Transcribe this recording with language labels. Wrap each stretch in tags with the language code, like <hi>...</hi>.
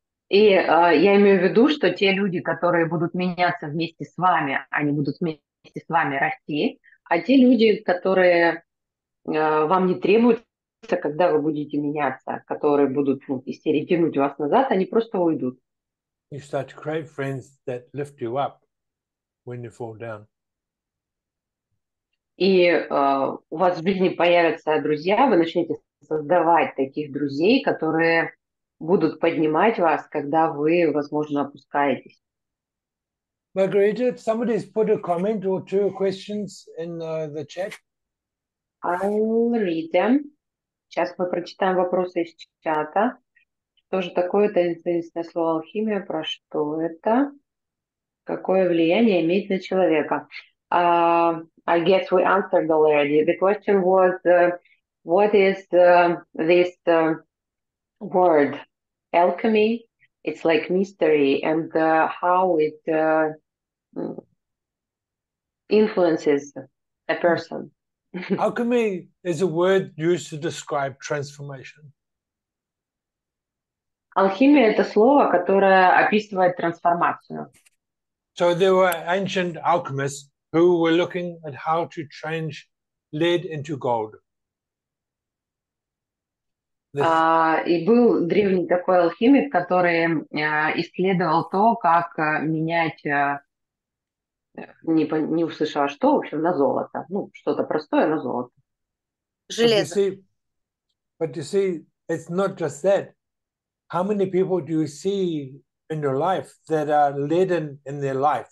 <ru>И я имею в виду, что те люди, которые будут меняться вместе с вами, они будут вместе с вами расти, а те люди, которые вам не требуются, когда вы будете меняться, которые будут, ну, из серии тянуть вас назад, они просто уйдут.</ru> <en>You start to create friends that lift you up when you fall down.</en> <ru>И у вас в жизни появятся друзья, вы начнете создавать таких друзей, которые будут поднимать вас, когда вы, возможно, опускаетесь.</ru> <en>Margarita, if somebody's put a comment or two questions in the chat. I'll read them.</en> <ru>Сейчас мы прочитаем вопросы из чата. Что же такое таинственное слово алхимия? Про что это? Какое влияние имеет на человека?</ru> <en>I guess we answered already. The question was, what is this word, alchemy? It's like mystery, and how it influences a person. Alchemy is a word used to describe transformation.</en> <ru>Алхимия — это слово, которое описывает трансформацию.</ru> <en>So there were ancient alchemists who were looking at how to change lead into gold.</en> <ru>И был древний такой алхимик, который исследовал то, как менять, не услышала, что, в общем, на золото. Ну, что-то простое на золото. Железо.</ru> <en>But you see, it's not just that. How many people do you see in your life that are laden in their life?</en>